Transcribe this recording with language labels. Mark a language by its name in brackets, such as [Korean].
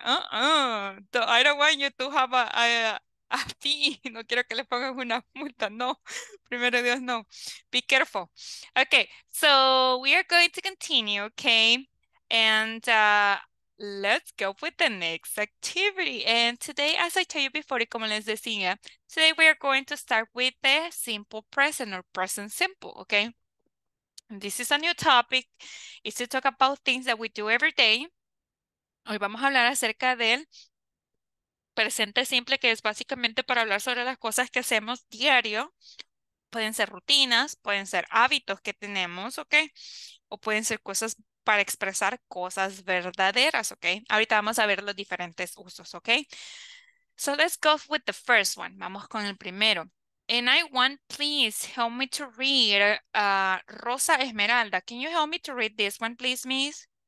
[English] I don't want you to have a fee. [Spanish] No quiero que le pongan una multa, no. Primero Dios, no. [English] Be careful. Ok, so we are going to continue, okay? And, let's go with the next activity. And today, as I told you before, [Spanish] como les decía, [English] today we are going to start with the simple present or present simple, okay? This is a new topic. It's to talk about things that we do every day. [Spanish] Hoy vamos a hablar acerca del presente simple, que es básicamente para hablar sobre las cosas que hacemos diario. Pueden ser rutinas, pueden ser hábitos que tenemos, okay? O pueden ser cosas para expresar cosas verdaderas, ¿ok? Ahorita vamos a ver los diferentes usos, ¿ok? [English] So let's go with the first one. [Spanish] Vamos con el primero. [English] And I want, please, help me to read Rosa Esmeralda. Can you help me to read this one, please, miss?